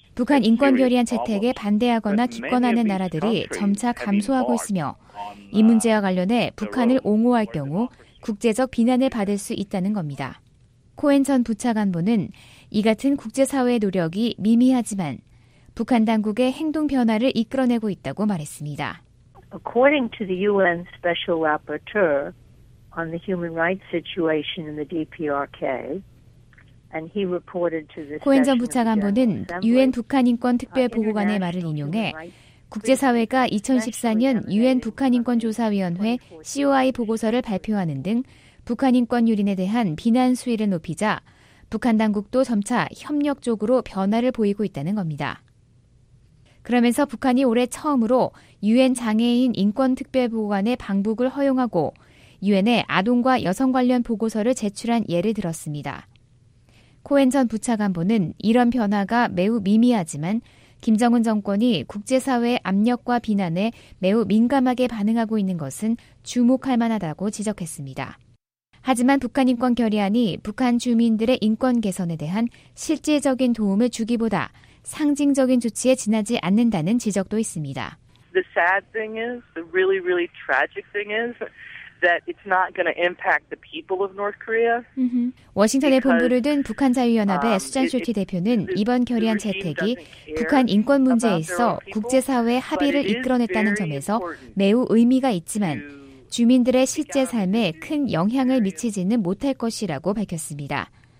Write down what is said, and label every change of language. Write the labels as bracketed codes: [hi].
[ko] 북한 인권 결의안 채택에 반대하거나 기권하는 나라들이 점차 감소하고 있으며 이 문제와 관련해 북한을 옹호할 경우 국제적 비난을 받을 수 있다는 겁니다. 코엔 전 부차관보는 이 같은 국제사회의 노력이 미미하지만 북한 당국의 행동 변화를 이끌어내고 있다고 말했습니다. [en] According to the UN Special Rapporteur on the human rights situation in the DPRK, and he reported to the [ko] 코엔 전 부차관보는 UN 북한인권특별보고관의 말을 인용해 국제사회가 2014년 UN 북한인권조사위원회 COI 보고서를 발표하는 등 북한인권 유린에 대한 비난 수위를 높이자 북한 당국도 점차 협력적으로 변화를 보이고 있다는 겁니다. 그러면서 북한이 올해 처음으로 유엔 장애인 인권특별보고관의 방북을 허용하고 유엔에 아동과 여성 관련 보고서를 제출한 예를 들었습니다. 코엔 전 부차관보는 이런 변화가 매우 미미하지만 김정은 정권이 국제사회의 압력과 비난에 매우 민감하게 반응하고 있는 것은 주목할 만하다고 지적했습니다. 하지만 북한인권결의안이 북한 주민들의 인권 개선에 대한 실질적인 도움을 주기보다 상징적인 조치에 지나지 않는다는 지적도 있습니다. [en] The sad thing is, the really, really tragic thing is that it's not going to impact the people of North Korea. [ko] 워싱턴에 본부를 둔 북한 자유연합의 수잔 쇼티 대표는 이번 결의안 채택이 북한 인권 문제에 있어 국제사회의 합의를 이끌어냈다는 점에서 매우 의미가 있지만 주민들의 실제 삶에 큰 영향을 미치지는 못할 것이라고 밝혔습니다.